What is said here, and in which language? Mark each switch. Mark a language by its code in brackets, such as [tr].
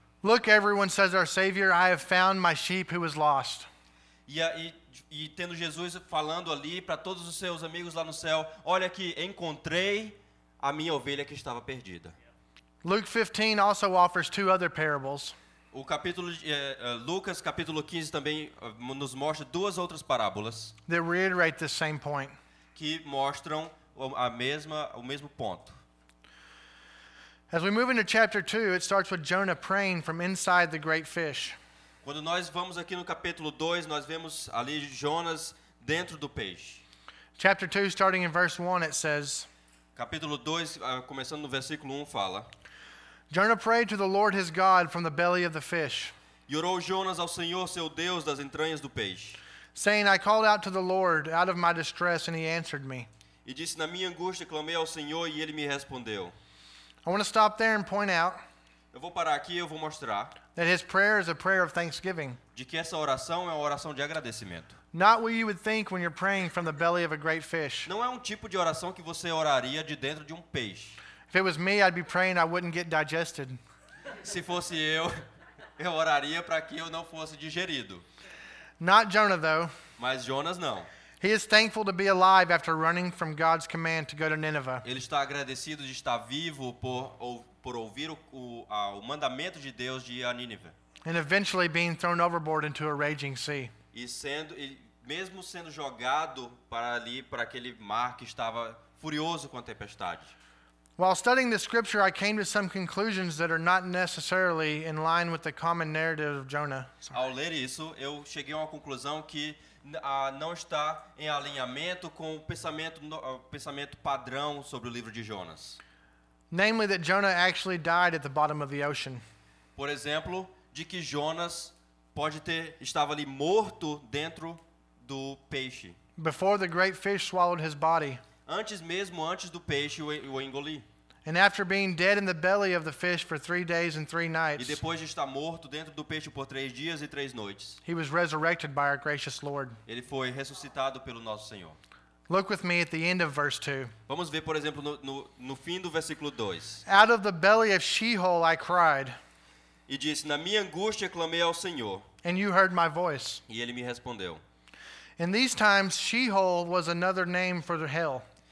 [en] Look, everyone says our Savior, I have found my sheep who was lost. [pt] E tendo Jesus falando ali para todos os seus amigos lá no céu, olha aqui, encontrei a minha ovelha que estava perdida. [en] Luke 15 also offers two other parables. [pt] O capítulo Lucas capítulo 15 também nos mostra duas outras parábolas. [en] They reiterate the same point. [pt] Que mostram o mesmo ponto. [en] As we move into chapter 2, it starts with Jonah praying from inside the great fish. [pt] Quando nós vamos aqui no capítulo 2, nós vemos ali Jonas dentro do peixe. [en] Chapter 2 starting in verse 1 it says. [pt] Capítulo 2 começando no versículo 1 fala. [en] Jonah prayed to the Lord his God from the belly of the fish. [pt] E orou Jonas ao Senhor seu Deus das entranhas do peixe. [en] Saying, I called out to the Lord out of my distress and he answered me. [pt] E disse, na minha angústia clamei ao Senhor e ele me respondeu. [en] I want to stop there and point out. [pt] Eu vou parar aqui e eu vou mostrar. [en] That his prayer is a prayer of thanksgiving. [pt] De que essa oração é uma oração de agradecimento. [en] Not what you would think when you're praying from the belly of a great fish. [pt] Não é um tipo de oração que você oraria de dentro de um peixe. [en] If it was me, I'd be praying I wouldn't get digested. [pt] Se fosse eu oraria para que eu não fosse digerido. [en] Not Jonah, though. [pt] Mas Jonas não. [en] He is thankful to be alive after running from God's command to go to Nineveh. [pt] Ele está agradecido de estar vivo por ouvir o mandamento de Deus de ir a Nínive. [en] And eventually being thrown overboard into a raging sea. [pt] E mesmo sendo jogado para ali para aquele mar que estava furioso com a tempestade. [en] While studying the scripture, I came to some conclusions that are not necessarily in line with the common narrative of Jonah. Sorry. [pt] Ao ler isso, eu cheguei a uma conclusão que não está em alinhamento com o pensamento padrão sobre o livro de Jonas. [en] Namely, that Jonah actually died at the bottom of the ocean. [pt] Por exemplo, de que Jonas estava ali morto dentro do peixe. [en] Before the great fish swallowed his body. [pt] Antes do peixe o engolir. [en] And after being dead in the belly of the fish for 3 days and 3 nights. [pt] E depois de estar morto dentro do peixe por 3 dias e 3 noites. [en] He was resurrected by our gracious Lord. [pt] Ele foi ressuscitado pelo nosso Senhor. [en] Look with me at the end of verse 2. [pt] Vamos ver, por exemplo, no fim do versículo 2. [en] Out of the belly of Sheol I cried. [pt] E disse, na minha angústia clamei ao Senhor. [en] And you heard my voice. [pt] E ele me respondeu. [en] In these times, Sheol was another name for the hell.